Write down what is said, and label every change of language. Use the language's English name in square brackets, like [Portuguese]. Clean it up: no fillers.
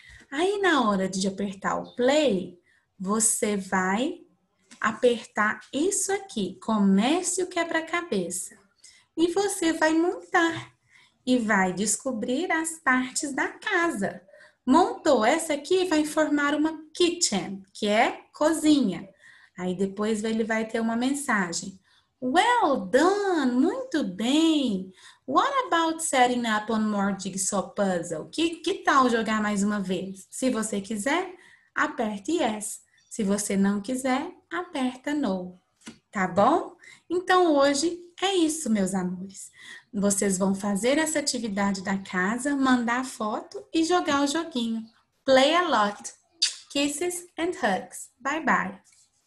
[Portuguese] Aí na hora de apertar o play, você vai apertar isso aqui, comece o quebra-cabeça. E você vai montar e vai descobrir as partes da casa. Montou essa aqui, vai formar uma kitchen, que é cozinha. Aí depois ele vai ter uma mensagem. [English] Well done, [Portuguese] muito bem. [English] What about setting up one more jigsaw puzzle? [Portuguese] Que tal jogar mais uma vez? Se você quiser, aperte yes. Se você não quiser, aperta no, tá bom? Então hoje é isso, meus amores. Vocês vão fazer essa atividade da casa, mandar foto e jogar o joguinho. [English] Play a lot. Kisses and hugs. Bye bye.